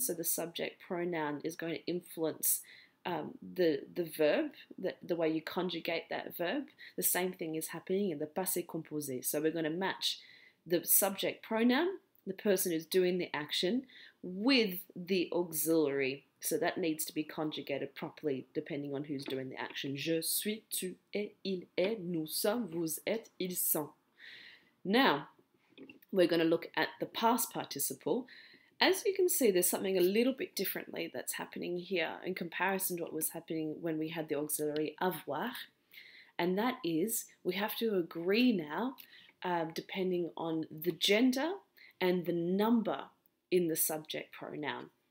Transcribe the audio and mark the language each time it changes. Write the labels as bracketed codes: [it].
[en] So the subject pronoun is going to influence the verb, the way you conjugate that verb. The same thing is happening in the passé composé. So we're going to match the subject pronoun, the person who's doing the action, with the auxiliary. So that needs to be conjugated properly depending on who's doing the action. [fr] Je suis, tu es, il est, nous sommes, vous êtes, ils sont. [en] Now, we're going to look at the past participle. As you can see, there's something a little bit differently that's happening here in comparison to what was happening when we had the auxiliary avoir. And that is, we have to agree now, depending on the gender and the number in the subject pronoun.